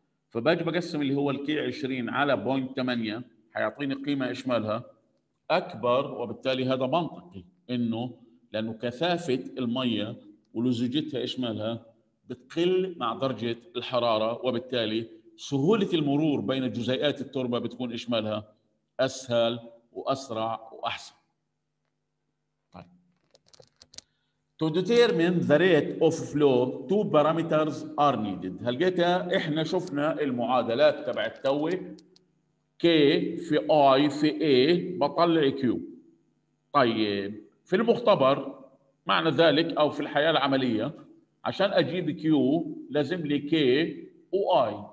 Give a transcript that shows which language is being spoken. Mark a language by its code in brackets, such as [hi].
[ar] فباجي بقسم اللي هو الكي 20 على 0.8 حيعطيني قيمة إيش مالها أكبر، وبالتالي هذا منطقي إنه لأنه كثافة المية ولزوجتها إيش مالها بتقل مع درجة الحرارة، وبالتالي سهولة المرور بين جزيئات التربة بتكون إيش مالها أسهل وأسرع وأحسن. [en] To determine the rate of flow, two parameters are needed. [ar] هل جيتا إحنا شفنا المعادلات تبع التوي K في I في A بطلع Q. طيب في المختبر معنى ذلك أو في الحياة العملية عشان أجيب Q لازم لي K و I.